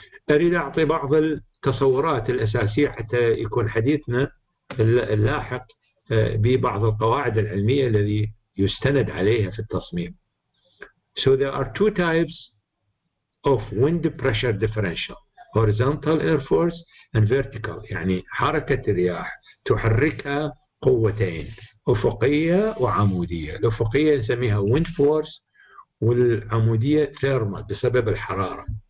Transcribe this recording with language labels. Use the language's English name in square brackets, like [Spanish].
[Arabic] أريد أعطي بعض التصورات الأساسية حتى يكون حديثنا اللاحق ببعض القواعد العلمية الذي يستند عليها في التصميم. [English] So there are two types of wind pressure differential, horizontal air force and vertical. [Arabic] يعني حركة الرياح تحركها قوتين، أفقية وعمودية. الأفقية نسميها wind force والعمودية thermal بسبب الحرارة.